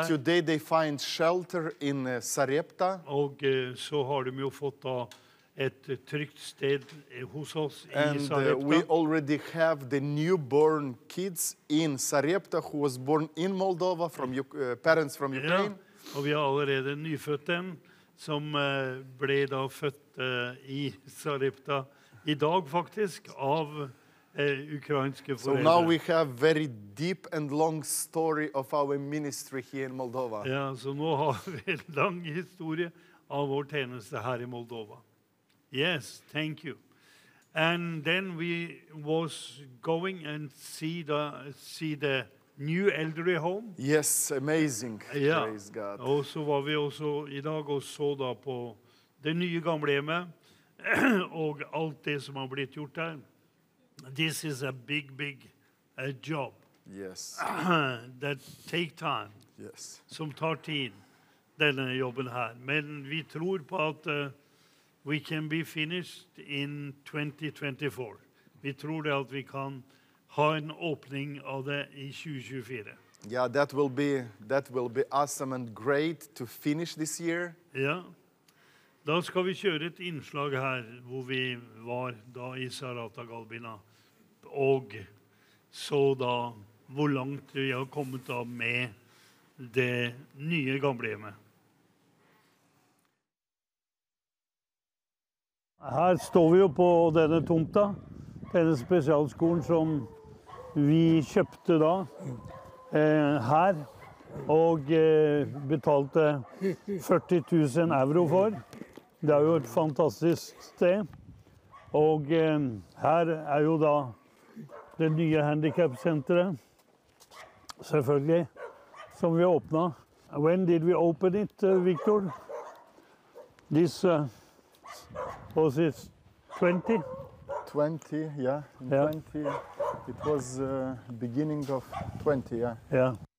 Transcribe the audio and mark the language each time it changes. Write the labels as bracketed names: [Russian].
[English] And today they find shelter in Sarepta. [Norwegian] Og så har de jo fått da et trygt sted hos oss I Sarepta. [English] And we already have the newborn kids in Sarepta, who was born in Moldova, from parents from Ukraine. [Norwegian] Ja. Og vi har allerede nyfødt en, som ble da født I Sarepta I dag faktisk, av ukrainske foreldre. [English] So now we have very deep and long story of our ministry here in Moldova. [Norwegian] Ja, så nå har vi en lang historie av vår tjeneste her I Moldova. [English] Yes, thank you. And then we was going and see the new elderly home. Yes, amazing. Yeah. Praise God. [Norwegian] Og så var vi også I dag og så da på det nye gamle hjemmet og alt det som har blitt gjort der. [English] This is a big job. Yes. That take time. Yes. [Norwegian] Som tar tid, denne jobben her. Men vi tror på at [English] we can be finished in 2024. [Norwegian] Vi tror det at vi kan ha en åpning av det I 2024. [English] Yeah, that will be awesome and great to finish this year. [Norwegian] Ja. Da skal vi kjøre et innslag her hvor vi var da I Sarepta Galbina og så da hvor langt vi har kommet da med det nye gamle hjemmet. Her står vi jo på denne tomta, denne spesialskolen som vi kjøpte da her og betalte 40 000 euro for. Det jo et fantastisk sted. Og her jo da det nye handicap-senteret, selvfølgelig, som vi åpnet. [English] When did we open it, Victor? This was it 20. 20, yeah. Yeah. 20. It was beginning of 20, yeah. Yeah.